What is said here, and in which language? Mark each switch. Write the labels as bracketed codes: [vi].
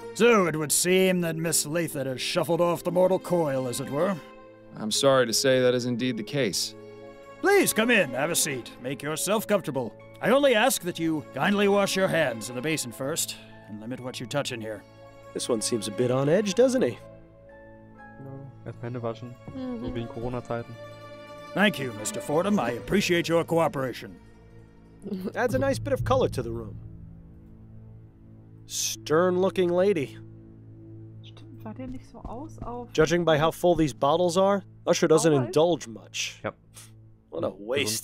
[en] So, it would seem that Miss Lathan has shuffled off the mortal coil, as it were. I'm sorry to say that is indeed the case. Please, come in, have a seat. Make yourself comfortable. I only ask that you kindly wash your hands in the basin first, and limit what you touch in here. This one seems a bit on edge, doesn't he? [de] Erst Hände waschen, so wie in Corona-Zeiten. [en] Thank you, Mr. Fordham. I appreciate your cooperation. Adds a nice bit of color to the room. Stern-looking lady. [de] Stimmt, war der nicht so aus auf... [en] Judging by how full these bottles are, Usher doesn't indulge much. Yep. What a waste.